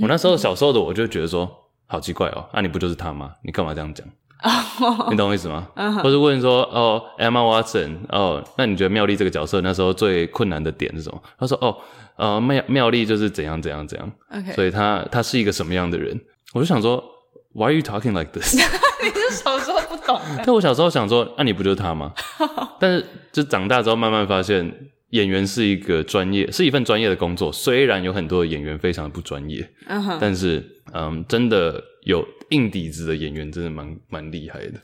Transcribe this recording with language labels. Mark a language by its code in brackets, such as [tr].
[zh] 我那时候小时候的我就觉得说好奇怪哦，啊你不就是他吗？你干嘛这样讲？ Oh, 你懂我意思吗？ Uh-huh. 或是问说，哦 ，Emma Watson， 哦，那你觉得妙丽这个角色那时候最困难的点是什么？他说，哦，妙丽就是怎样怎样怎样。 [en] Okay. [zh] 所以他是一个什么样的人？我就想说 [en] ，Why are you talking like this？ [zh] 你是小时候不懂？但我小时候想说，啊你不就是他吗？但是就长大之后慢慢发现，演员是一个专业，是一份专业的工作。虽然有很多演员非常的不专业， uh-huh. 但是。嗯，真的有硬底子的演员真的蛮厉害的。